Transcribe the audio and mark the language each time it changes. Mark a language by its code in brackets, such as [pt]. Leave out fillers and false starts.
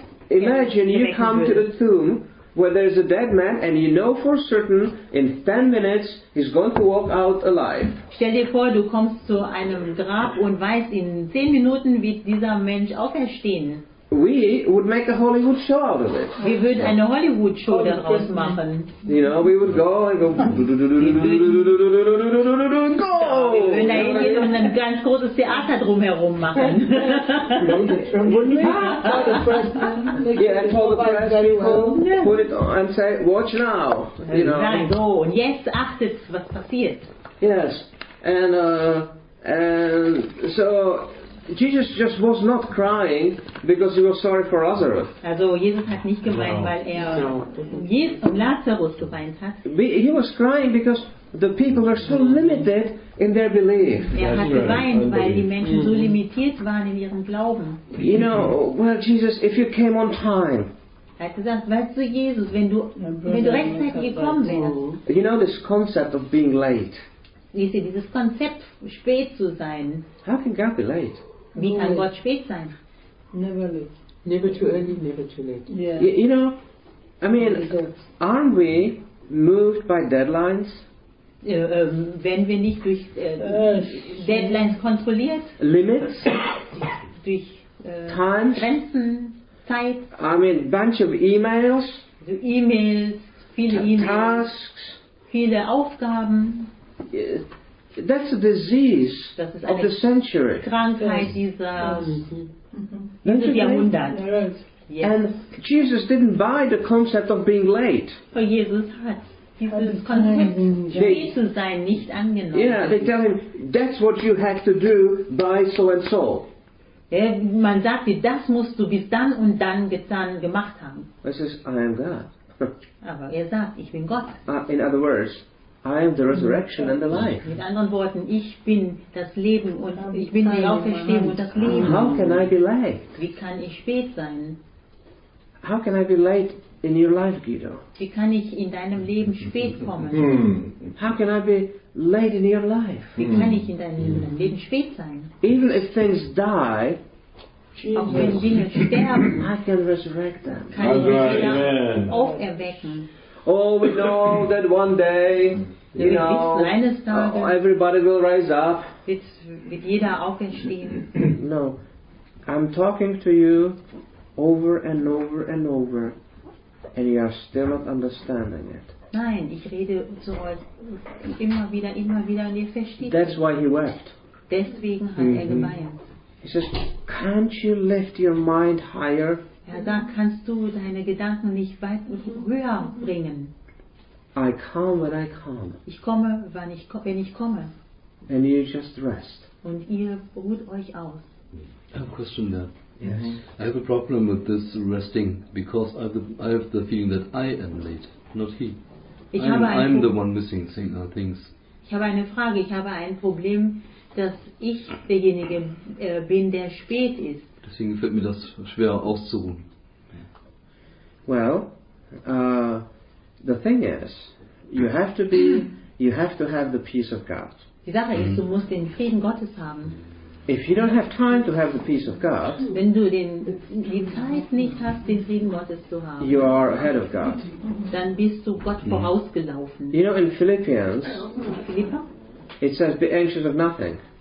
[en] Imagine you come to the tomb where there is a dead man, and you know for certain, in 10 minutes, he's going to walk out alive. [de] Stell dir vor, du kommst zu einem Grab und weißt, in 10 Minuten wird dieser Mensch auferstehen. [en] We would make a Hollywood show out of it. [de] Wir würden eine Hollywood show daraus machen. [en] You know, we would go and go. Go! [de] Wir würden da hingehen und ein ganz großes Theater drumherum machen. [en] Yeah, and call the press people, put it on and say, watch now. You know. [de] So, und jetzt achtet, was passiert. [en] Yes, and so. Jesus just was not crying because he was sorry for Lazarus. [de] Also Jesus hat nicht geweint, weil Lazarus geweint hat. [en] He was crying because the people were so limited in their belief. [de] Weil die Menschen so limitiert waren in ihrem Glauben. [en] You know, well, Jesus, if you came on time. [de] Hat gesagt, weißt du, Jesus, wenn du rechtzeitig gekommen wärst. [en] You know this concept of being late. [de] Wie ist dieses Konzept, spät zu sein? [en] How can God be late? [de] Wie kann Gott spät sein? [en] Never late. Never too early, never too late. Yeah. You know, I mean, aren't we moved by deadlines? [de] Wenn wir nicht durch Deadlines kontrolliert? [en] Limits? [de] Durch [en] Times? [de] Grenzen? Zeit? [en] I mean, bunch of E-Mails? [de] So E-Mails, viele E-Mails. [en] Tasks? [de] Viele Aufgaben? [en] Yeah. That's a disease of the century. [de] Krankheit dieses Jahrhunderts. [en] And Jesus didn't buy the concept of being late. [de] Aber Jesus hat dieses Konzept, spät zu sein, nicht angenommen. [en] Yeah, they tell him, that's what you have to do by so and so. [de] Man sagt dir, das musst du bis dann und dann getan gemacht haben. [en] He says, I am God. [de] Aber sagt, ich bin Gott. [en] In other words, I am the resurrection and the life. [de] Mit anderen Worten, ich bin das Leben und ich bin die Auferstehung und das Leben. [en] How can I be late? [de] Wie kann ich spät sein? [en] How can I be late in your life, Guido? [de] Wie kann ich in deinem Leben spät kommen? [en] How can I be late in your life? [de] Wie kann ich in deinem Leben spät sein? [en] Even if things die, [de] auch wenn Dinge sterben, [en] I can resurrect them. [de] Kann ich sie auferwecken? [en] Oh, we know that one day, you know, everybody will rise up. [de] Wird jeder aufstehen. [en] No, I'm talking to you over and over and over, and you are still not understanding it. [de] Nein, ich rede zu euch immer wieder, und ihr versteht. [en] That's why he wept. [de] Deswegen hat er geweint. [en] He says, "Can't you lift your mind higher?" [de] Ja, da kannst du deine Gedanken nicht weit höher bringen. [en] I come when I come. [de] Ich komme, wenn ich komme. [en] And you just rest. [de] Und ihr ruht euch aus. [en] I have a question there. Yes. I have a problem with this resting, because I have the feeling that I am late, not he. I'm the one missing things. [de] Ich habe eine Frage. Ich habe ein Problem, dass ich derjenige bin, der spät ist. Deswegen fällt mir das schwer auszuruhen. [en] Well, the thing is, you have to have the peace of God. [de] Die Sache ist, du musst den Frieden Gottes haben. [en] If you don't have time to have the peace of God, [de] wenn du die Zeit nicht hast, den Frieden Gottes zu haben, [en] you are ahead of God. [de] Dann bist du Gott vorausgelaufen. [en] You know, in Philippians, it says, be anxious of nothing.